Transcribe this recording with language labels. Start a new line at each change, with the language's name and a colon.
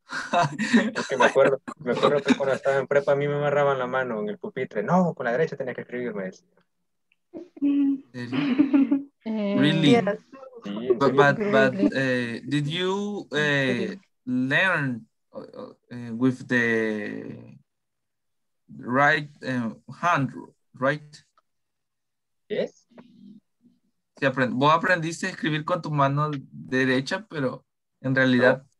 Spanish: Porque me acuerdo que cuando estaba en prepa a mí me amarraban la mano en el pupitre. No, con la derecha tenía que escribirme eso.
English: Really? Yes. But did you learn with the right hand, right? Yes.
Spanish: Sí, vos aprendiste a escribir con tu mano derecha, pero en realidad no.